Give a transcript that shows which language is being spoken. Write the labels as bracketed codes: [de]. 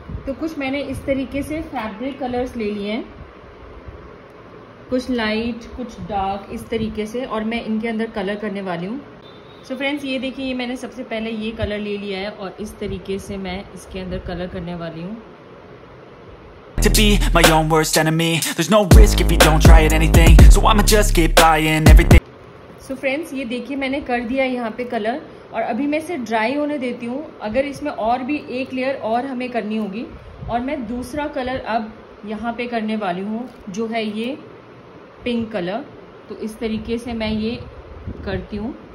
[hi] तो कुछ मैंने इस तरीके से फैब्रिक कलर्स ले लिए हैं, कुछ लाइट कुछ डार्क इस तरीके से, और मैं इनके अंदर कलर करने वाली हूँ। सो फ्रेंड्स ये देखिए, ये मैंने सबसे पहले ये कलर ले लिया है और इस तरीके से मैं इसके अंदर कलर करने वाली हूँ। [en] To be my own worst enemy, there's no risk if you don't try it anything, so I'ma just keep buying everything. [hi] So friends ये देखिए मैंने कर दिया यहाँ पे कलर, और अभी मैं इसे ड्राई होने देती हूँ। अगर इसमें और भी एक लेयर और हमें करनी होगी, और मैं दूसरा कलर अब यहाँ पे करने वाली हूँ जो है ये पिंक कलर। तो इस तरीके से मैं ये करती हूँ।